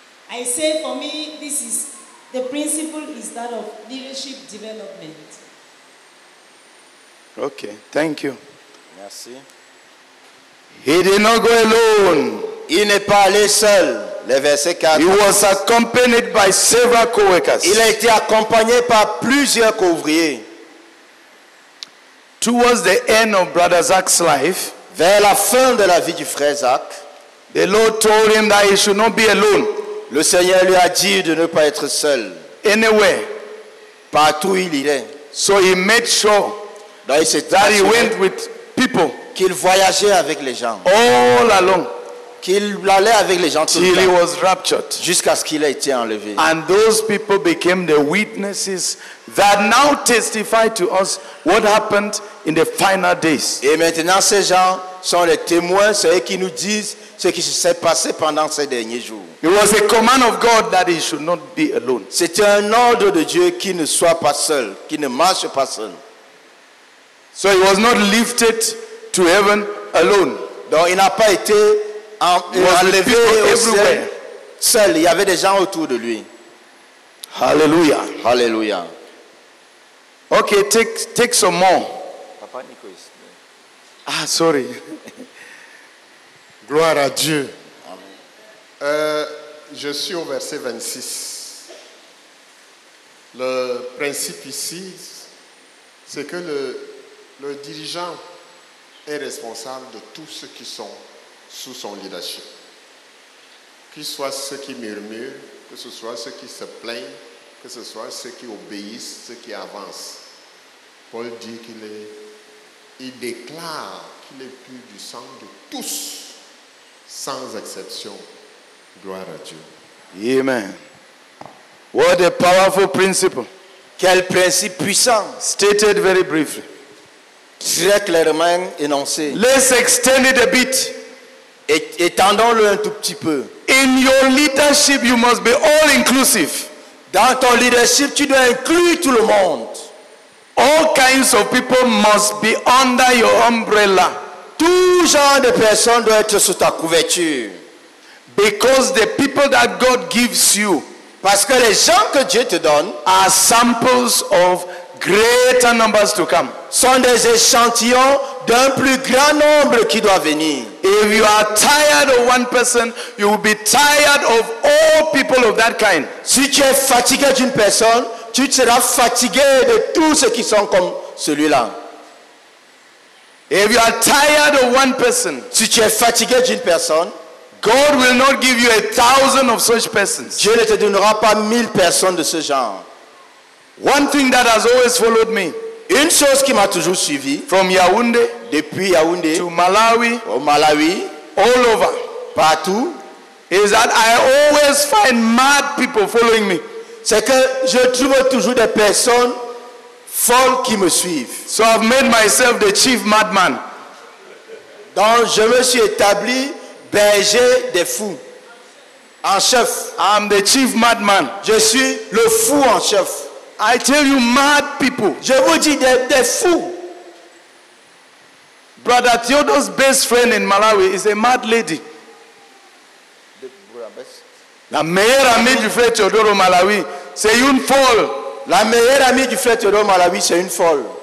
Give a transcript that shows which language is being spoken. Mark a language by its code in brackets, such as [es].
[en] I say for me, this is the principle is that of leadership development. Okay, thank you. [fr] Merci. [en] He did not go alone. [fr] Il n'est pas allé seul. Le verset 4. [en] He was accompanied by several co-workers. [fr] Il a été accompagné par plusieurs co-ouvriers. [en] Towards the end of Brother Zach's life, [fr] vers la fin de la vie du frère Zach, [en] the Lord told him that he should not be alone. [fr] Le Seigneur lui a dit de ne pas être seul. [en] Anywhere, [fr] partout il irait. [en] So he made sure that he said that he went with people, [fr] qu'il voyageait avec les gens. [en] All along, [fr] qu'il allait avec les gens. [en] Till he was raptured, [fr] jusqu'à ce qu'il ait été enlevé. [en] And those people became the witnesses that now testify to us what happened in the final days. [fr] Et maintenant, ces gens sont les témoins, ceux qui nous disent ce qui s'est passé pendant ces derniers jours. [en] It was a command of God that he should not be alone. [fr] C'était un ordre de Dieu qu'il ne soit pas seul, qu'il ne marche pas seul. [en] So he was not lifted to heaven alone. [fr] Donc il n'a pas été enlevé au ciel seul. Il y avait des gens autour de lui. [en] Hallelujah. Hallelujah. Okay, take some more. Papa Nico. Ah, sorry. [fr] Gloire à Dieu. Amen. Je suis au verset 26. Le principe ici, c'est que le dirigeant est responsable de tous ceux qui sont sous son leadership. Qu'ils soient ceux qui murmurent, que ce soit ceux qui se plaignent, que ce soit ceux qui obéissent, ceux qui avancent. Paul dit qu'il déclare qu'il est pur du sang de tous, sans exception. Gloire à Dieu. Amen. [en] What a powerful principle. [fr] Quel principe puissant. [en] Stated very briefly. [fr] Très clairement énoncé. [en] Let's extend it a bit. [fr] Étendons-le un tout petit peu. [en] In your leadership, you must be all inclusive. [fr] Dans ton leadership, tu dois inclure tout le monde. [en] All kinds of people must be under your umbrella. [fr] Tout genre de personnes doit être sous ta couverture. [en] Because the people that God gives you, [fr] parce que les gens que Dieu te donne, [en] are samples of greater numbers to come. [fr] Sont des échantillons d'un plus grand nombre qui doit venir. [en] If you are tired of one person, you will be tired of all people of that kind. [fr] Si tu es fatigué d'une personne, tu seras fatigué de tous ceux qui sont comme celui-là. [en] If you are tired of one person, [fr] si tu es fatigué d'une personne, [en] God will not give you 1,000 of such persons. [fr] Dieu ne te donnera pas 1,000 personnes de ce genre. [en] One thing that has always followed me. [fr] Une chose qui m'a toujours suivi. [en] From Yaoundé, [fr] depuis Yaoundé, [en] to Malawi, [fr] au Malawi, [en] all over, [fr] partout, [en] is that I always find mad people following me. [fr] C'est que je trouve toujours des personnes folles qui me suivent. [en] So I've made myself the chief madman. [fr] Donc je me suis établi berger des fous. En chef, [en] I'm the chief madman. [fr] Je suis le fou en chef. [en] I tell you, mad people. [fr] Je vous dis des fous. [en] Brother Theodore's best friend in Malawi is a mad lady. [fr] La meilleure amie du frère Theodore au Malawi, c'est une folle. La meilleure amie du frère Theodore au Malawi, c'est une folle.